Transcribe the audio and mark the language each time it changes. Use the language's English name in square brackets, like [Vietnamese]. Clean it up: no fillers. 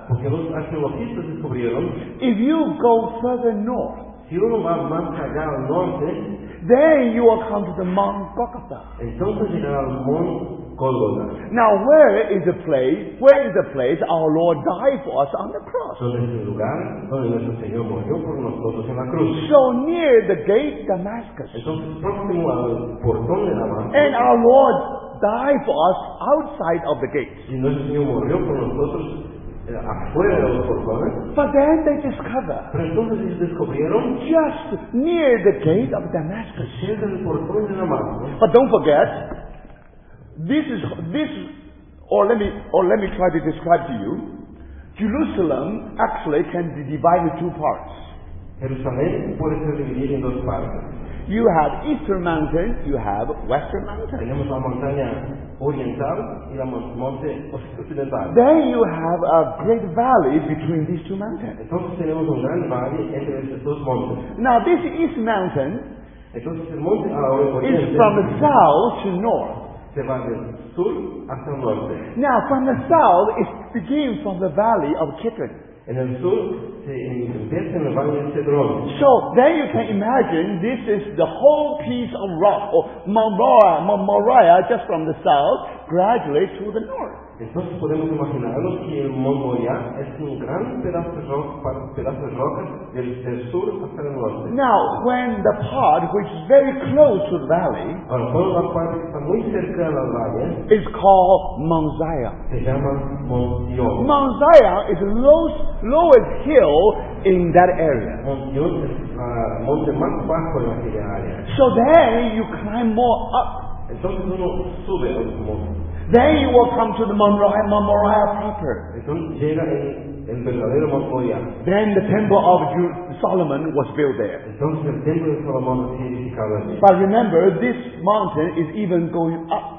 [Spanish] Porque los arqueólogos descubrieron. [English] If you go further north, [Spanish] si uno va más allá al norte, [English] then you will come to the Mount Golgotha. [Spanish] Entonces llegará al Monte Golgotha. [English] Now where is the place? Where is the place our Lord died for us on the cross? [Spanish] ¿Dónde es el lugar donde nuestro Señor murió por nosotros en la cruz? [English] So near the gate Damascus. [Spanish] Entonces próximo al portón de Damasco. [English] And our Lord died for us outside of the gate. [Spanish] Y nuestro Señor murió por nosotros. [English] But then they discover, just near the gate of Damascus. But don't forget, let me try to describe to you, Jerusalem actually can be divided into two parts. You have Eastern Mountain, you have Western Mountain. Then you have a great valley between these two mountains. [Spanish] Entonces tenemos un gran valle entre estos dos montes. [English] Now this East Mountain, [Spanish] entonces, el monte ahora, [English] is from the south to north. [Spanish] Se va del sur hasta el norte. [English] Now from the south, it begins from the valley of Kidron. [Spanish] En el sur, se en el valle de Cedrón. [English] So then you can imagine this is the whole piece of rock or Moriah just from the south gradually to the north. [Spanish] Entonces podemos imaginarnos que el Mont Moriah es un gran pedazo de [English] rock [Spanish] del sur hasta el norte. [English] Now when the part which is very close to the valley, [Spanish] ahora, la parte está muy cerca del valle, [English] is called Mount Zion. [Spanish] Se llama Mount Zion. [English] Mount Zion is the lowest hill in that area. [Spanish] Mount Zion es monte más bajo en aquella área. [English] So then you climb more up. [Spanish] Entonces uno sube al monte. [English] Then you will come to the Moriah proper. Then the temple of Solomon was built there. But remember, this mountain is even going up.